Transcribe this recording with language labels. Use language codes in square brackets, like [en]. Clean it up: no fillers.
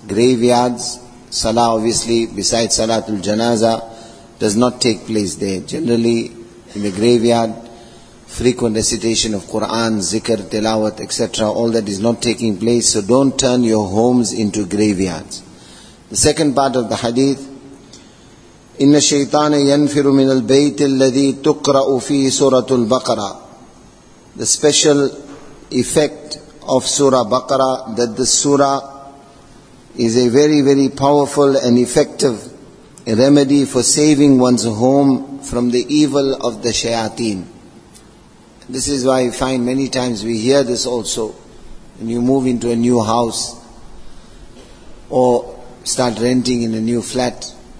[en] Graveyards, salah obviously, besides salatul janazah, does not take place there. Generally, in the graveyard, frequent recitation of Quran, zikr, tilawat, etc. All that is not taking place. So don't turn your homes into graveyards. The second part of the hadith, [ar] إِنَّ الشَّيْطَانَ يَنْفِرُ مِنَ الْبَيْتِ الَّذِي تُقْرَأُ فِيهِ سُورَةُ الْبَقَرَةِ. [en] The special effect of Surah Baqarah, that the surah is a very, very powerful and effective remedy for saving one's home from the evil of the shayateen. This is why I find many times we hear this also when you move into a new house or start renting in a new flat.